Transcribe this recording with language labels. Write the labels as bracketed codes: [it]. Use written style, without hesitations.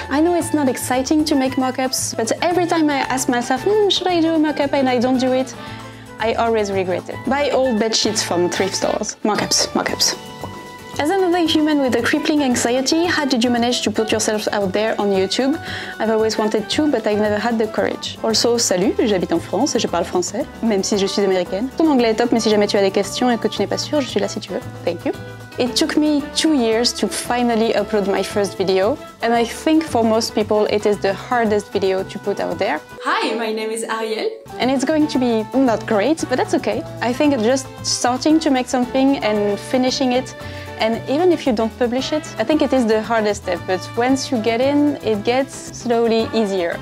[en] I know it's not exciting to make mock-ups, but every time I ask myself, should I do a mock-up and I don't do it, I always regret it. Buy old bedsheets from thrift stores. Mock-ups. As another human with a crippling anxiety, how did you manage to put yourself out there on YouTube? I've always wanted to, but I've never had the courage. [fr] Also, salut, j'habite en France et je parle français, même si je suis américaine. Ton anglais est top, mais si jamais tu as des questions et que tu n'es pas sûr, je suis là si tu veux. [en] Thank you. It took me 2 years to finally upload my first video, and I think for most people it is the hardest video to put out there. Hi, my name is Ariel. And it's going to be not great, but that's okay. I think just starting to make something and finishing it, and even if you don't publish it, I think it is the hardest step, but once you get in, it gets slowly easier.